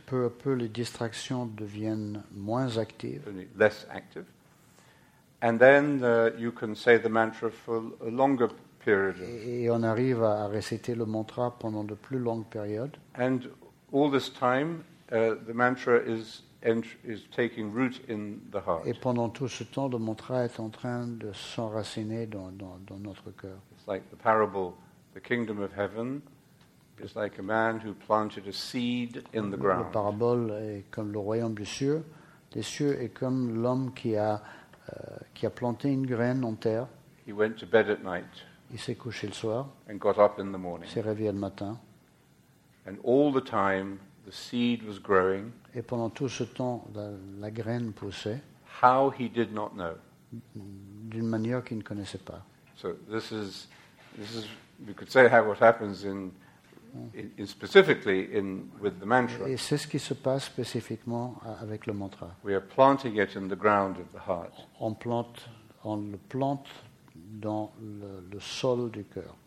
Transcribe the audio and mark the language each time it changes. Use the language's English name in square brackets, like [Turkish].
[French] Peu à peu, les distractions deviennent moins actives. [English] Less active, and then you can say the mantra for a longer period. [French] Et on arrive à réciter le mantra pendant de plus longues périodes. [English] And all this time, the mantra is taking root in the heart. [French] Et pendant tout ce temps, le mantra est en train de s'enraciner dans notre cœur. [English] It's like the parable, the kingdom of heaven is like a man who planted a seed in the ground. [French] La parabole est comme le royaume des cieux est comme l'homme qui a planté une graine en terre. [English] He went to bed at night. [French] Il s'est couché le soir. [English] And got up in the morning. [French] S'est réveillé le matin. [English] And all the time the seed was growing. [French] Et pendant tout ce temps, la graine poussait. [English] How he did not know. [French] D'une manière qu'il ne connaissait pas. [English] So this is, we could say how what happens in specifically with the mantra. [French] Et c'est ce qui se passe spécifiquement avec le mantra. [English] We are planting it in the ground of the heart. [French] On le plante dans le sol du cœur.